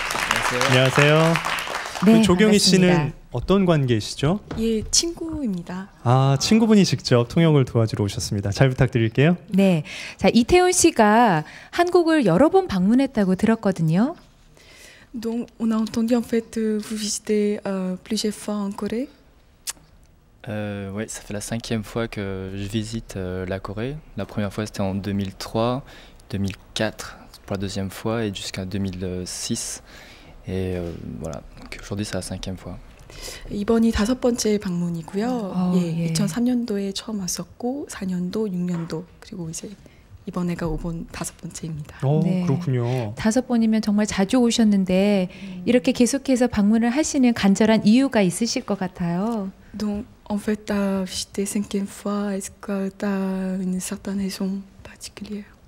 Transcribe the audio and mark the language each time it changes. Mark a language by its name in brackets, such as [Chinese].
[Korean] 안녕하세요. 안녕하세요. 네, 조경희 씨는 어떤 관계이시죠? 예, 친구입니다. 아, 친구분이 직접 통역을 도와주러 오셨습니다. 잘 부탁드릴게요. 네. 자, 이태훈 씨가 한국을 여러 번 방문했다고 들었거든요. [French] Donc on a entendu en fait vous visitez plusieurs fois en Corée. Ouais, ça fait la cinquième fois que je visite la Corée. La première fois c'était en 2003, 2004 pour la deuxième fois et jusqu'à 2006. Et voilà, aujourd'hui c'est la cinquième fois. [Korean] 이번이 다섯 번째 방문이고요. 예, 2003년도에 처음 왔었고 4년도, 6년도 그리고 이제 이번에가 5번 다섯 번째입니다. 오, 네. 그렇군요. 다섯 번이면 정말 자주 오셨는데 이렇게 계속해서 방문을 하시는 간절한 이유가 있으실 것 같아요. [French] Donc en fait ta visite cinquième fois est-ce que t'as une certaine raison particulière?